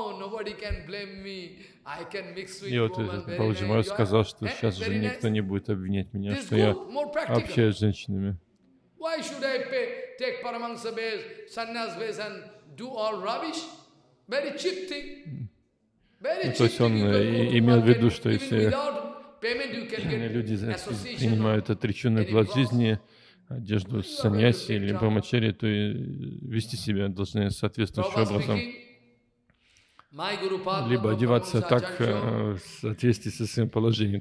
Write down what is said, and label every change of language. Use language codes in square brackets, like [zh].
[ru] И вот Бабаджи Махарадж сказал, что сейчас уже никто не будет обвинять меня, что я общаюсь с женщинами. [en] Why should I pay, take paramahansa base, sannyas base and do all rubbish? Very cheap thing. Very cheap. [ru] То есть он имел в виду, что если люди принимают отреченную плат жизни, одежду саньяси или брамачари, то и вести себя должны соответствующим образом. Либо одеваться так в соответствии со своим положением.